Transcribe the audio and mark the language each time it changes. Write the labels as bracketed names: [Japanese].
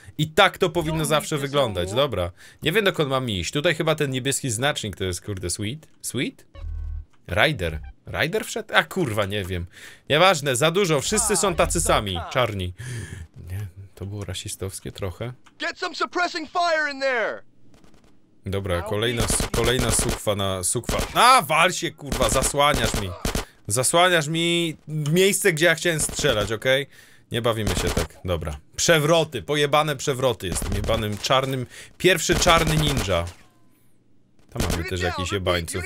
[Polish] I tak to powinno zawsze wyglądać, dobra. Nie wiem, dokąd mam iść. Tutaj chyba ten niebieski znacznik to jest, kurde, Sweet? Sweet? Rider. Rider wszedł? A kurwa, nie wiem. Nieważne, za dużo, wszyscy są tacy sami, czarni. Nie, to było rasistowskie trochę. [English] Get some suppressing fire in there! [Polish] Dobra, kolejna sukwa na... sukwa. A, wal się, kurwa, zasłaniasz mi. Zasłaniasz mi miejsce, gdzie ja chciałem strzelać, okej? Okay? Nie bawimy się tak, dobra. Przewroty, pojebane przewroty. Jestem jebanym czarnym... Pierwszy czarny ninja. Tam mamy też jakiś jebańców.